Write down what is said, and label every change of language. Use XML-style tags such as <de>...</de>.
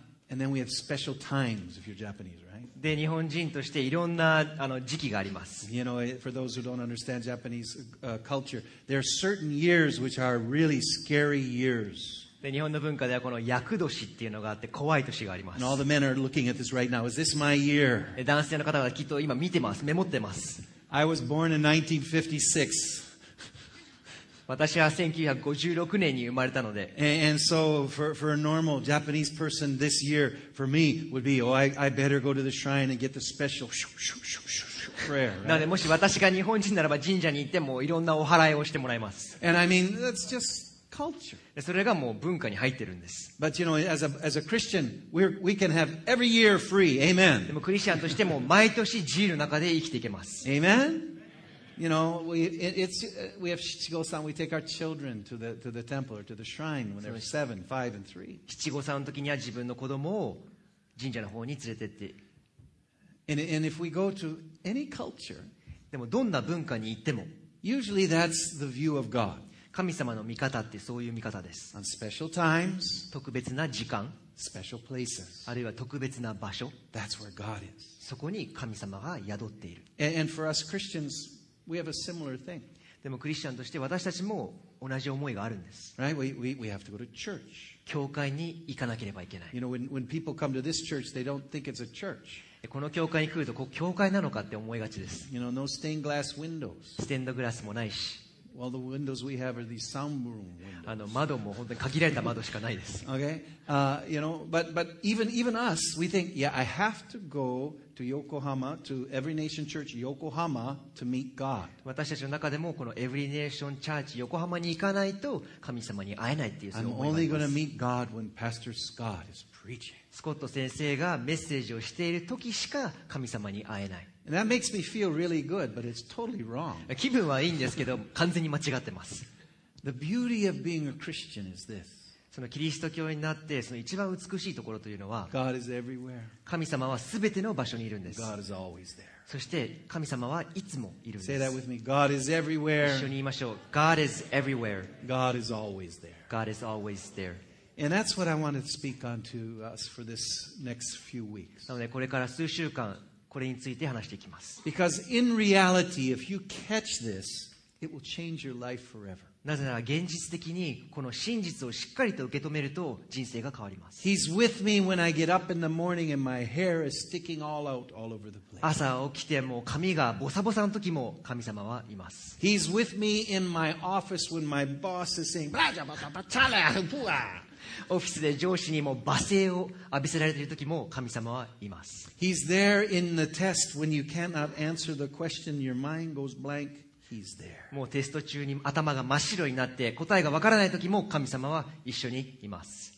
<en>And then we have special times if you're Japanese, right?</en> <ja>で、日本人としていろんな時期があります。</ja> <en>You know, for those who don't understand Japanese culture, there are certain years which are really scary years.</en> <ja>で日本の文化ではこの厄年っていうのがあって怖い年があります。</ja> <en>And all the men are looking at this right now. Is this my year?</en> <ja>男性の方はきっと今見てます、メモってます。</ja> <en>I was born in 1956.</en> <ja>私は1956年に生まれたので、</ja> <en>And so for a normal Japanese person this year for me would be, oh, I better go to the shrine and get the special shoo shoo shoo shoo.</en> <ja>なのでもし私が日本人ならば神社に行ってもいろんなお祓いをしてもらいます。</ja> <en>And I mean, that's just culture.</en> <ja>それがもう文化に入ってるんです。</ja> <en>But you know, as a Christian, we can have every year free. Amen.</en> <ja>でもクリスチャンとしても毎年自由の中で生きていけます。</ja> <en>Amen. You know, we have 七五三, we take our children to the temple or to the shrine when they're 7, 5, and 3.</en> <ja>七五三の時には自分の子供を神社の方に連れてって。</ja> <en>And if we go to any culture,</en> <ja>でもどんな文化に行っても、</ja> <en>usually that's the view of God.</en> <ja>神様の見方ってそういう見方です。</ja> <en>On special times,</en> <ja>特別な時間、</ja> <en>special places,</en> <ja>あるいは特別な場所、</ja> <en>that's where God is.</en> <ja>そこに神様が宿っている。</ja> <en>And for us Christians, we have a similar thing.</en> <ja>でもクリスチャンとして私たちも同じ思いがあるんです。</ja> <en>Right? We have to go to church.</en> <ja>教会に行かなければいけない。</ja> <en>You know, when people come to this church, they don't think it's a church.</en> <ja>この教会に来ると、こう教会なのかって思いがちです。</ja> <en>You know, no stained glass windows.</en> <ja>ステンドグラスもないし。</ja> <en>Well, the windows we have are these sunroom windows.</en> <ja>窓も本当に限られた窓しかないです。</ja> <en>Okay? You know, but even us, we think, yeah, I have to go to Yokohama, to Every Nation Church Yokohama to meet God.</en> <ja>私たちの中でもこの Every Nation Church Yokohama に行かないと神様に会えないっていう思いがあります</ja> <en>I'm only going to meet God when Pastor Scott is preaching.</en> <ja>スコット先生がメッセージをしている時しか神様に会えない。</ja> <en>And that makes me feel really good, but it's totally wrong.</en> <ja>気分はいいんですけど完全に間違ってます。</ja> <en>The beauty of being a Christian is this.</en> <ja>そのキリスト教になってその一番美しいところというのは</ja> <en>God is everywhere.</en> <ja>神様はすべての場所にいるんです。</ja> <en>God is always there.</en> <ja>そして神様はいつもいるんです。</ja> <en>Say that with me. God is everywhere.</en> <ja>一緒に言いましょう。</ja> <en>God is everywhere. God is always there. God is always there. And that's what I wanted to speak on to us for this next few weeks.</en> <ja>なのでこれから数週間これについて話していきます。</ja> <en>Because in reality, if you catch this, it will change your life forever.</en> <ja>なぜなら現実的にこの真実をしっかりと受け止めると人生が変わります。</ja> <en>He's with me when I get up in the morning and my hair is sticking all out all over the place.</en> <ja>朝起きても髪がボサボサの時も神様はいます。</ja> <en>He's with me in my office when my boss is saying バチャバチャバチャラブワ。</en> <ja>オフィスで上司にも罵声を浴びせられている時も神様はいます。</ja> <en>He's there in the test when you cannot answer the question, your mind goes blank. He's there.</en> <ja>もうテスト中に頭が真っ白になって答えがわからない時も神様は一緒にいます。</ja>